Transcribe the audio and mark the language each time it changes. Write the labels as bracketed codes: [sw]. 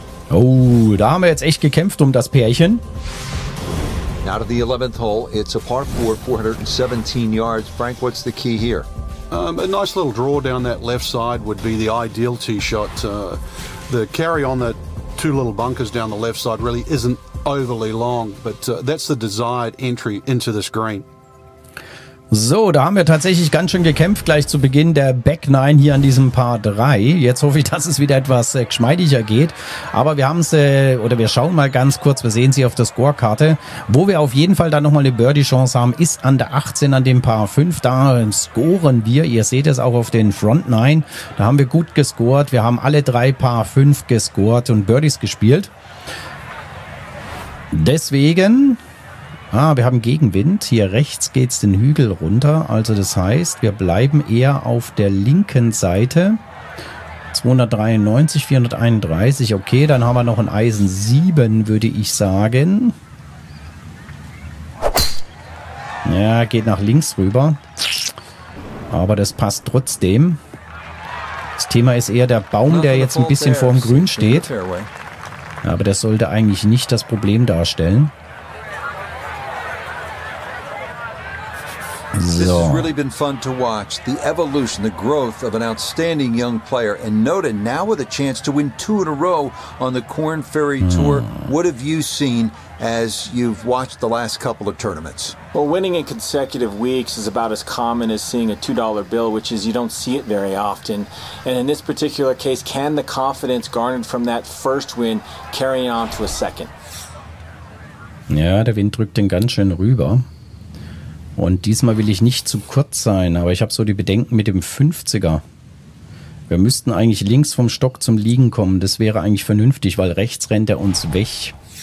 [de] Oh, da haben wir jetzt echt gekämpft um das Pärchen. [en] Now to the 11th hole. It's a par 4, 417 yards. Frank, what's the key here? A nice little draw down that left side would be the ideal tee shot. The carry on the two little bunkers down the left side really isn't overly long, but that's the desired entry into this green. [de] So, da haben wir tatsächlich ganz schön gekämpft, gleich zu Beginn der Back 9 hier an diesem Par 3. Jetzt hoffe ich, dass es wieder etwas geschmeidiger geht. Aber wir haben es, oder wir schauen mal ganz kurz, wir sehen sie auf der Scorekarte. Wo wir auf jeden Fall dann nochmal eine Birdie-Chance haben, ist an der 18 an dem Par 5. Da scoren wir, ihr seht es auch auf den Front 9, da haben wir gut gescored. Wir haben alle drei Par 5 gescored und Birdies gespielt. Deswegen... Ah, wir haben Gegenwind. Hier rechts geht es den Hügel runter. Also das heißt, wir bleiben eher auf der linken Seite 293, 431. Okay, dann haben wir noch ein Eisen 7, würde ich sagen. Ja, geht nach links rüber. Aber das passt trotzdem. Das Thema ist eher der Baum, der jetzt ein bisschen vor dem Grün steht. Aber das sollte eigentlich nicht das Problem darstellen. So. [en] This has really been fun to watch. The evolution, the growth of an outstanding young player. And Noda now with a chance to win two in a row on the Korn Ferry Tour. What have you seen as you've watched the last couple of tournaments? Well, winning in consecutive weeks is about as common as seeing a $2 bill, which is you don't see it very often. And in this particular case, can the confidence garnered from that first win carry on to a second? [de] Ja, der Wind drückt den ganz schön rüber. Und diesmal will ich nicht zu kurz sein, aber ich habe so die Bedenken mit dem 50er. Wir müssten eigentlich links vom Stock zum Liegen kommen. Das wäre eigentlich vernünftig, weil rechts rennt er uns weg.